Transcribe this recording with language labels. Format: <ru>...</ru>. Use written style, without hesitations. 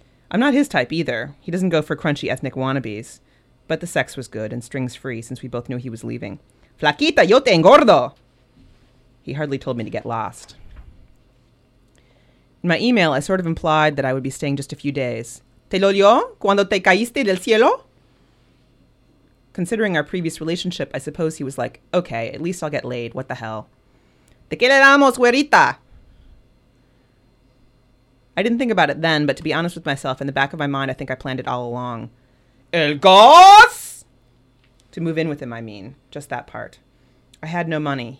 <en>I'm not his type, either. He doesn't go for crunchy ethnic wannabes. But the sex was good and strings-free since we both knew he was leaving.</en> <es>¡Flaquita, yo te engordo!</es> <en>He hardly told me to get lost. In my email, I sort of implied that I would be staying just a few days.</en> <es>¿Te lo dio cuando te caíste del cielo?</es> <en>Considering our previous relationship, I suppose he was like, okay, at least I'll get laid. What the hell?</en> <es>¿De qué le damos, güerita?</es> <en>I didn't think about it then, but to be honest with myself, in the back of my mind, I think I planned it all along. El gos! To move in with him, I mean. Just that part. I had no money.</en>